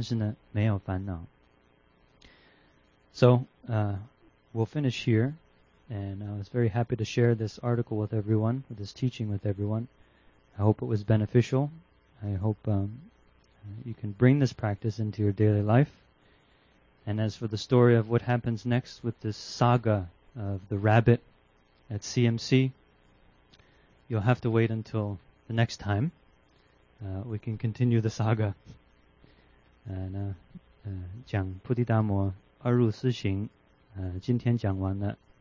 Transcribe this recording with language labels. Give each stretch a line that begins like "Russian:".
Chinese: 所以菩提达摩在这篇文章里面，先讲到最高的、最直接的，再讲到怎么样透过次第的方法去让我们更接近，更能够让我们的心如这种墙壁一样，那么有虽然有反应，但是呢没有烦恼。
English: So, we'll finish here. And I was very happy to share this article with everyone, this teaching with everyone. I hope it was beneficial. I hope you can bring this practice into your daily life. And as for the story of what happens next with this saga of the rabbit at CMC, you'll have to wait until the next time. We can continue the saga.
Chinese: And 讲菩提达摩二入四行，今天讲完了。